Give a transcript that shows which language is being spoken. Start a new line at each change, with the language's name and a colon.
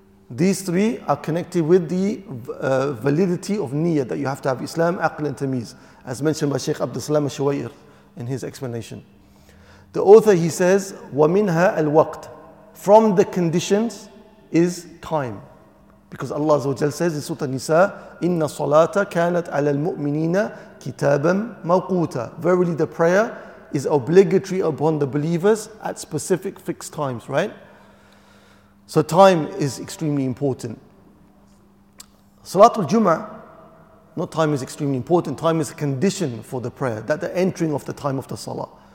English: These three are connected with the validity of niyyah, that you have to have Islam, Aql and Tamiz, as mentioned by Shaykh Abdul Salam al-Shuwayr in his explanation. The author, he says,
Arabic: وَمِنْهَا الْوَقْتِ,
English: from the conditions is time. Because Allah says in Surah An-Nisa,
Arabic: إِنَّ صَلَاتَ كَانَتْ عَلَى الْمُؤْمِنِينَ كِتَابًا مَوْقُوتًا.
English: Verily the prayer is obligatory upon the believers at specific fixed times, right? So time is extremely important. Salatul Jum'ah, not time is extremely important, time is a condition for the prayer, that the entering of the time of the salah.